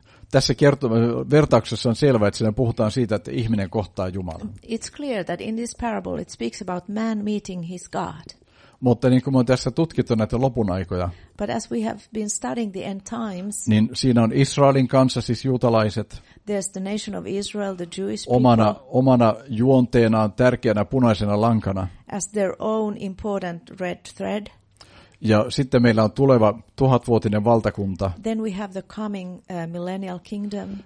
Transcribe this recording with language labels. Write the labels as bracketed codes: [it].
[fi] Tässä vertauksessa on selvä, että siinä puhutaan siitä, että ihminen kohtaa Jumalan. [en] It's clear that in this parable it speaks about man meeting his God. [fi] Mutta niin kuin me on tässä tutkittu näitä lopun aikoja, [en] but as we have been studying the end times, [fi] niin siinä on Israelin kansa, siis juutalaiset, [en] there's the nation of Israel, the Jewish [fi] people, omana juonteenaan tärkeänä punaisena lankana, [en] as their own important red thread. [fi] Ja sitten meillä on tuleva 1000-vuotinen valtakunta, [en] then we have the coming, millennial kingdom,